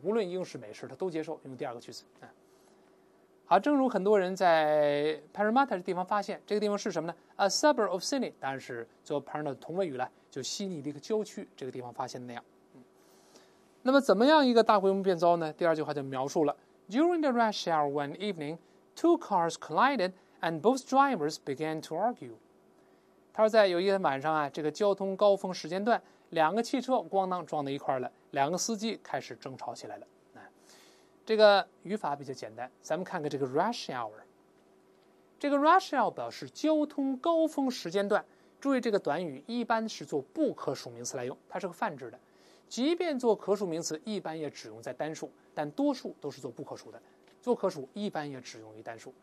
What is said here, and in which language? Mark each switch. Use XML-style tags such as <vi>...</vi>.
<zh>无论英式、美式，它都接受用第二个句子。好，正如很多人在 Parramatta 这地方发现，这个地方是什么呢 ？</zh> <en>A suburb of Sydney，</en> <zh>当然是做 Parramatta 同位语了，就悉尼的一个郊区，这个地方发现的那样。那么怎么样一个大规模变遭呢？第二句话就描述了。</zh> <en>During the rush hour one evening, two cars collided and both drivers began to argue.</en> <zh>他说在有一天晚上啊，这个交通高峰时间段，两个汽车咣当撞到一块了，两个司机开始争吵起来了。这个语法比较简单，咱们看看这个 rush hour。这个 rush hour 表示交通高峰时间段，注意这个短语一般是做不可数名词来用，它是个泛指的，即便做可数名词一般也只用在单数，但多数都是做不可数的，做可数一般也只用于单数。</zh>